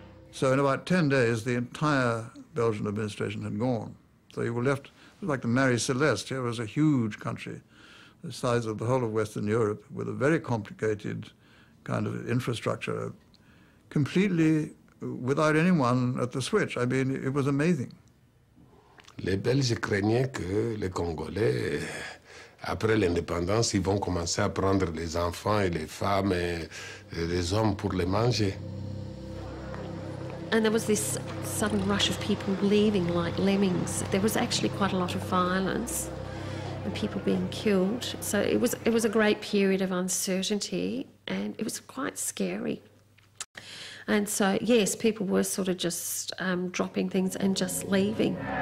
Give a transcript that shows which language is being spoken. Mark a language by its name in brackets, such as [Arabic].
[English] So in about 10 days, the entire Belgian administration had gone. So you were left, it was like the Mary Celeste. Here was a huge country, the size of the whole of Western Europe, with a very complicated kind of infrastructure, completely without anyone at the switch. I mean, it was amazing. [French] Les Belges craignaient que les Congolais, après l'indépendance, ils vont commencer à prendre les enfants et les femmes et les hommes pour les manger. [English] And there was this sudden rush of people leaving like lemmings. There was actually quite a lot of violence and people being killed. So it was a great period of uncertainty and it was quite scary. And so, yes, people were sort of just dropping things and just leaving.